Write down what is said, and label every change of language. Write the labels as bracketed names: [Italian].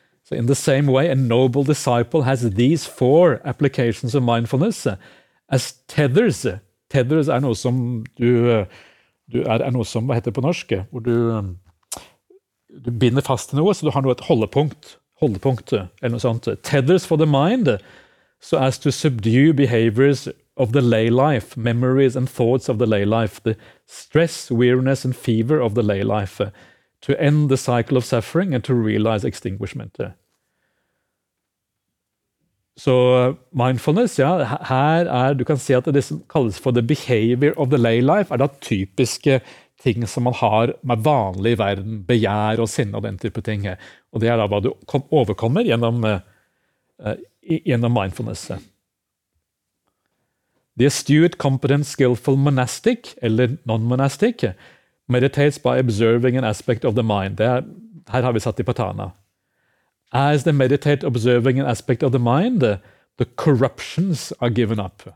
[English] So in the same way, a noble disciple has these four applications of mindfulness as tethers. [Norwegian] Tethers er noe som du er noe som, hva heter det på norsk? Hvor du binder fast til noe, så du har noe et holdepunkt, eller noe sånt. [English] Tethers for the mind, so as to subdue behaviors of the lay life, memories and thoughts of the lay life, the stress, weariness and fever of the lay life, to end the cycle of suffering and to realize extinguishment. [Norwegian] Så mindfulness, ja, her er, du kan se at det som kalles for [English] the behavior of the lay life, [Norwegian] er da typiske ting som man har med vanlig verden, begjær og sinne og den type ting. Og det er da hva du overkommer gjennom mindfulness. [English] The astute, competent, skillful monastic, eller non-monastic, meditates by observing an aspect of the mind. [Norwegian] Her har vi satt i patana. [English] As they meditate observing an aspect of the mind, the corruptions are given up.